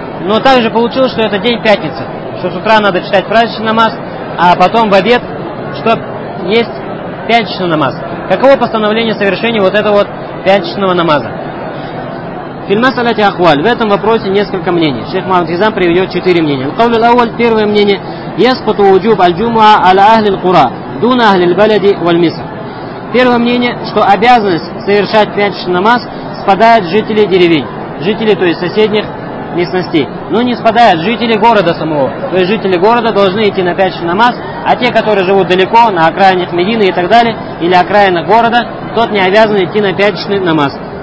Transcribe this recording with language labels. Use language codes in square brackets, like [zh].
[ru] Но также получилось, что это день пятница. Что с утра надо читать праздничный намаз, а потом в обед, что есть пятничный намаз. Каково постановление совершения вот этого вот пятничного намаза? Фильма Салати Ахваль. В этом вопросе несколько мнений. Шейх Мухаммад Хизам приведет четыре мнения. Первое мнение. [ar] يسقط وجوب الجمعة على أهل القرى دون أهل البلد والمصر. [ru] Первое мнение, что обязанность совершать пятничный намаз спадает с жителей деревень, жителей, то есть соседних местностей. Но не спадает жители города самого. То есть жители города должны идти на пятничный намаз, а те, которые живут далеко, на окраинах Медины и так далее, или окраинах города, тот не обязан идти на пятничный намаз.